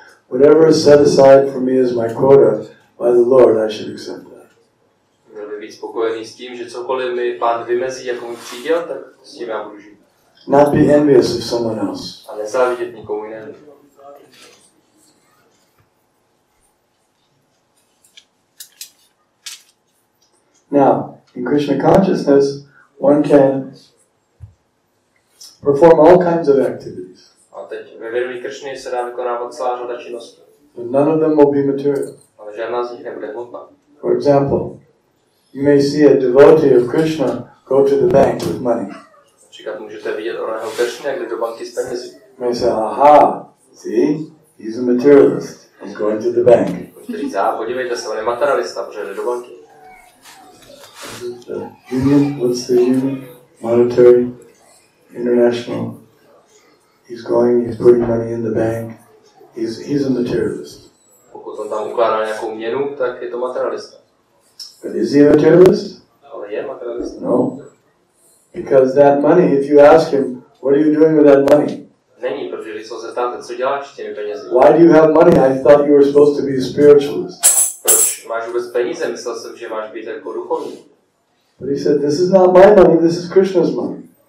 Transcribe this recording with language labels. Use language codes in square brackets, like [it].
[en] Whatever is set aside for me as my quota by the Lord, I should accept that. [cs] Měl by být spokojený s tím, že cokoliv mi pán vymezí jako můj příděl, tak s tím já budu žít. [en] Not be envious of someone else. [cs] A nezávidět nikomu jinému. [en] Now, in Krishna consciousness, one can perform all kinds of activities. [cs] A teď ve vědomí Krishny se dá vykonávat celá řada činností. [en] But none of them will be material. [cs] Ale žádná z nich nebude hmotná. [en] For example, you may see a devotee of Krishna go to the bank with money. [cs] Například můžete vidět oného Krishna, jak jde do banky s penězi. [en] You may say, aha, see, he's a materialist. He's going to the bank. [cs] Podívejte se, on je materialista, protože jde do banky. [en] The union, what's the union? Monetary, international. He's going, he's putting money in the bank. He's a materialist. [cs] Pokud on tam ukládá nějakou měnu, tak je to materialista. [en] But is he a materialist? [cs] Ale je materialist. [en] No. Because that money, if you ask him, what are you doing with that money? [cs] Není, protože když se zeptáte, co děláš s těmi penězi? [en] Why do you have money? I thought you were supposed to be a spiritualist. [cs] Proč máš vůbec peníze? Myslel jsem, že máš být jako duchovní. [en] But he said, this is not my money, this is Krishna's money.